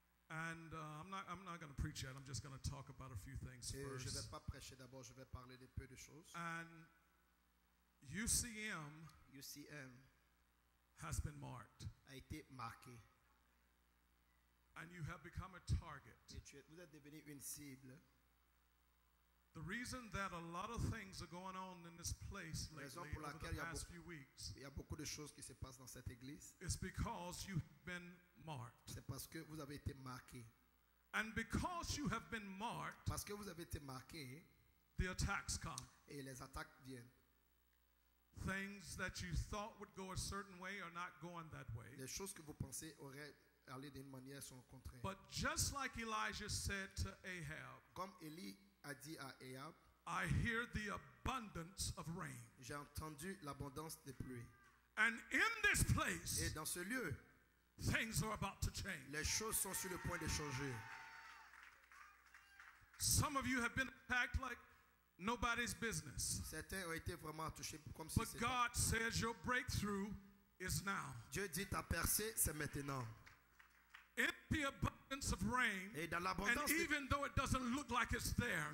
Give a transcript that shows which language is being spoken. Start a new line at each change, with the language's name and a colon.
English: And I'm not going to preach yet. I'm just going to talk about a few things
French: et
English: first.
French: Je vais pas prêcher d'abord, je vais parler de peu de choses.
English: And UCM, UCM has been marked.
French: A été marqué.
English: And you have become a target.
French: Et vous êtes devenu une cible.
English: The reason that a lot of things are going on in this place lately,
French: il y a beaucoup de choses qui se passent dans cette église.
English: It's because you've been marked.
French: C'est parce que vous avez été marqué.
English: And because you have been marked,
French: parce que vous avez été marqué,
English: the attacks come.
French: Et les attaques viennent.
English: Things that you thought would go a certain way are not going that way.
French: Les choses que vous pensez auraient allé d'une manière sont au contraire.
English: But just like Elijah said to Ahab,
French: comme Élie a dit à Ahab,
English: I hear the abundance of rain.
French: J'ai entendu l'abondance de pluie.
English: And in this place,
French: et dans ce lieu,
English: things are about to change.
French: Les choses sont sur le point de changer.
English: Some of you have been attacked like nobody's business.
French: Certains ont été vraiment touchés comme si.
English: But God says your breakthrough is now.
French: Dieu dit ta percée c'est maintenant.
English: In the abundance of rain,
French: et dans l'abondance,
English: and even though it doesn't look like it's there,